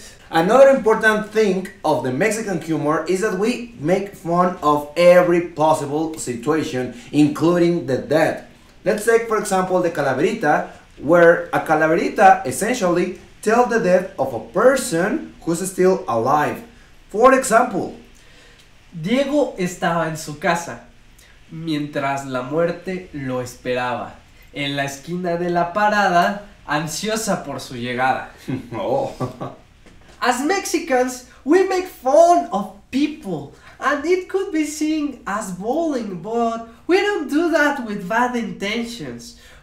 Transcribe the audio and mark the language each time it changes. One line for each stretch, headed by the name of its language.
English: Another important thing of the Mexican humor is that we make fun of every possible situation, including the dead. Let's take, for example, the calaverita, where a calaverita essentially tells the death of a person who's still alive. For example,
Spanish: Diego estaba en su casa mientras la muerte lo esperaba. En la esquina de la parada, ansiosa por su llegada. Oh.
English: As Mexicans, we make fun of people, and it could be seen as bullying, but we don't do that with bad intentions.